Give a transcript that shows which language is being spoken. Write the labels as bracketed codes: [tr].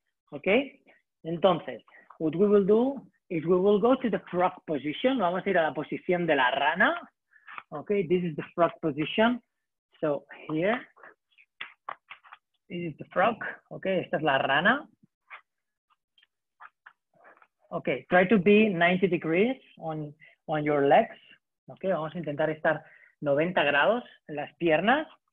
[en] Ok, entonces, what we will do is we will go to the frog position. [es] Vamos a ir a la posición de la rana. [en] Ok, this is the frog position. So here, this is the frog. [es] Ok, esta es la rana. [en] Okay, try to be 90 degrees on your legs. [es] Okay, vamos a intentar estar 90 grados en las piernas.